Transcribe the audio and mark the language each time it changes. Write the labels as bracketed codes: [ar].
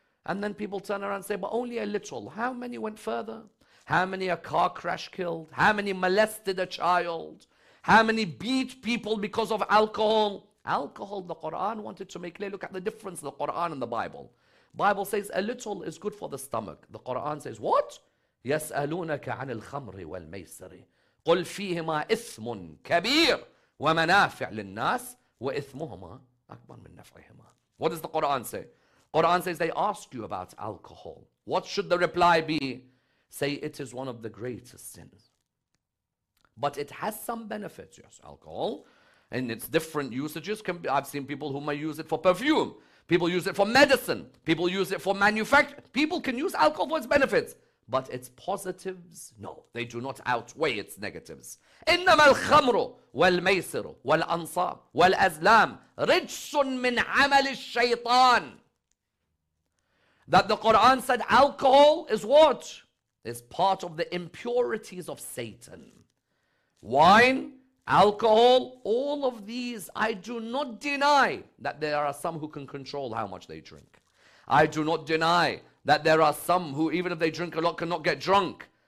[en] And then people turn around and say, but only a little. How many went further? How many a car crash killed? How many molested a child? How many beat people because of alcohol? Alcohol, the Quran wanted to make clear. Look at the difference of the Quran and the Bible. Bible says a little is good for the stomach. The Quran says what? [ar] يسألونك عن الخمر والميسر قل فيهما إثم كبير ومنافع للناس وإثمهما أكبر من نفعهما. [en] What does the Quran say? Quran says they ask you about alcohol. What should the reply be? Say it is one of the greatest sins. But it has some benefits. Yes, alcohol, and its different usages can be. I've seen people who may use it for perfume. People use it for medicine. People use it for manufacturing. People can use alcohol for its benefits. But its positives, no, they do not outweigh its negatives. [ar] إنما الخمر والميسر والأنصاب والأزلام رجس من عمل الشيطان. [en] That the Quran said alcohol is what? It's part of the impurities of Satan. Wine, alcohol, all of these, I do not deny that there are some who can control how much they drink. I do not deny that there are some who, even if they drink a lot, cannot get drunk.